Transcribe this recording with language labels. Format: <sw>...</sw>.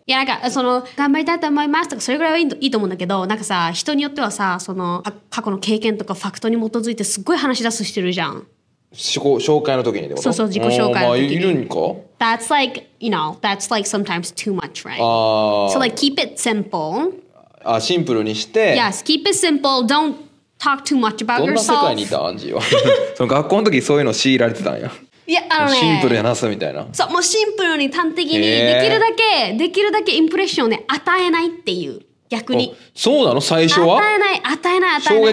<ja>いやなんかその頑張りたいと思いますとかそれぐらいはいいと思うんだけど、なんかさ人によってはさその過去の経験とかファクトに基づいてすごい話し出すしてるじゃん。紹介の時にでも、そうそう自己紹介の時に、まあ、いるんか。</ja> <en>That's like, you know, that's like sometimes too much, right? So like keep it simple.</en> <ja>あ、シンプルにして。</ja> <en>Yes, keep it simple. Don't talk too much about yourself.</en> <ja>どんな世界にいた、アンジーは。その学校の時そういうの強いられてたんや。いや、あのね。シンプルやなさみたいな。そう、もうシンプルに端的にできるだけ、できるだけインプレッションを、ね、与えないっていう。逆に。そうなの最初は与えない、与えない、与えない。</ja>